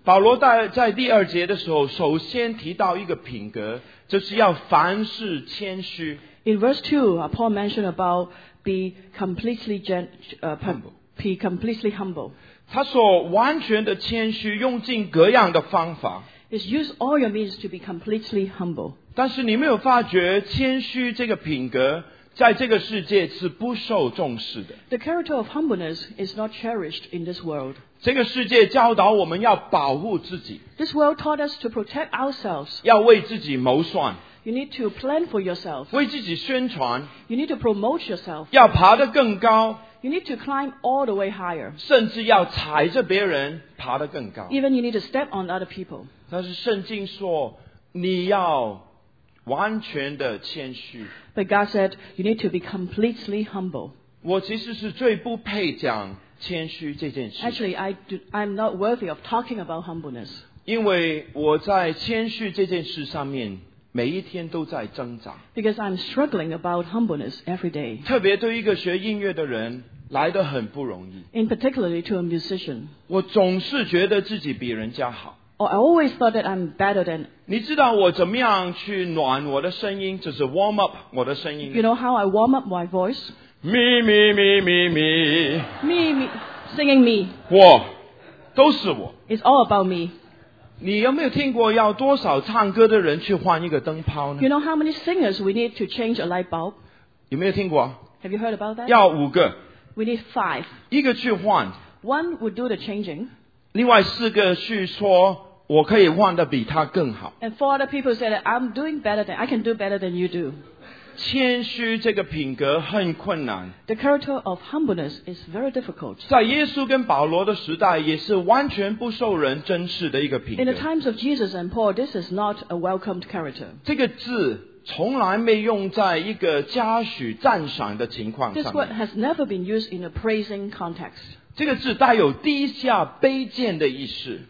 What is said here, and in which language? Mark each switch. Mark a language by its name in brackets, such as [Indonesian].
[Chinese] 保罗在第二节的时候首先提到一个品格，就是要凡事谦虚。 [English] In verse 2, Paul mentioned about be completely humble. [Chinese] 他说完全的谦虚，用尽各样的方法。 [English] Is use all your means to be completely humble. [Chinese] 但是你没有发觉谦虚这个品格在这个世界是不受重视的。 [English] The character of humbleness is not cherished in this world. [Chinese] 这个世界教导我们要保护自己。 [English] This world taught us to protect ourselves. [Chinese] 要为自己谋算。 [English] You need to plan for yourself. [Chinese] 为自己宣传。 [English] You need to promote yourself. [Chinese] 要爬得更高。 [English] You need to climb all the way higher. [Chinese] 甚至要踩着别人爬得更高。 [English] Even you need to step on other people. [Chinese] 但是圣经说你要完全的谦虚。 [English] But God said, you need to be completely humble. [Chinese] 我其实是最不配讲谦虚这件事。 [English] Actually, I'm not worthy of talking about humbleness. [Chinese] 因为我在谦虚这件事上面每一天都在挣扎。 [English] Because I'm struggling about humbleness every day. [Chinese] 特别对一个学音乐的人来得很不容易。 [English] In particularly to a musician. [Chinese] 我总是觉得自己比人家好。 [English] Oh, I always thought that I'm better than. [Chinese] 你知道我怎么样去暖我的声音，就是 [English] warm up [Chinese] 我的声音。 [English] You know how I warm up my voice? Me, me, me, me, me. Me, me, singing me. [Chinese] 我，都是我。 [English] It's all about me. [Chinese] 你有没有听过要多少唱歌的人去换一个灯泡呢？ [English] You know how many singers we need to change a light bulb? [Chinese] 有没有听过？ [English] Have you heard about that? [Chinese] 要五个。 [English] We need five. [Chinese] 一个去换。 [English] One would do the changing. [Chinese] 另外四个去说我可以换得比他更好。 [English] And four other people said I'm doing better than I can do better than you do. [Chinese] 谦虚这个品格很困难。 [English] The character of humbleness is very difficult. [Chinese] 在耶稣跟保罗的时代也是完全不受人珍视的一个品格。 [English] In the times of Jesus and Paul, this is not a welcomed character. [Chinese] 这个字从来没用在一个嘉许赞赏的情况上。 [English] This word has never been used in a praising context. [Chinese] 这个字带有低下卑贱的意思。